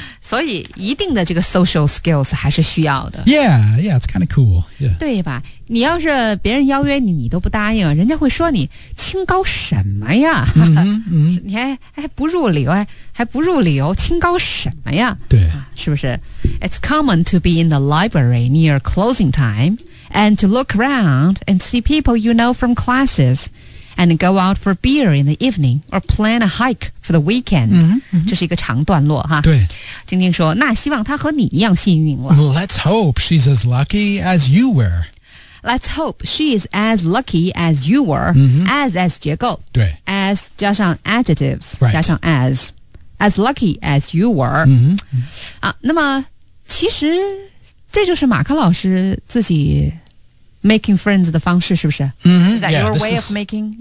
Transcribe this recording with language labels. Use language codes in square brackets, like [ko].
[zh] 所以一定的这个 [en] social skills [zh] 还是需要的。 [en] Yeah, yeah, it's kind of cool. Yeah. [zh] 对吧？你要是别人邀约你，你都不答应，人家会说你清高什么呀？你还不入流，还不入流，清高什么呀？对，是不是 [en] ？It's common to be in the library near closing time and to look around and see people you know from classes. And go out for beer in the evening or plan a hike for the weekend. [zh] 这是一个长段落哈。对。晶晶说那希望她和你一样幸运了。 [en] Let's hope she's as lucky as you were. Let's hope she is as lucky as you were. [zh] As 结构。对。 [en] As [zh] 加上 [en] adjectives,、 right. [zh] 加上 [en] as. As lucky as you were.、 [zh] 那么其实这就是马克老师自己 [en] making friends [zh] 的方式是不是、 [en] is that your way of making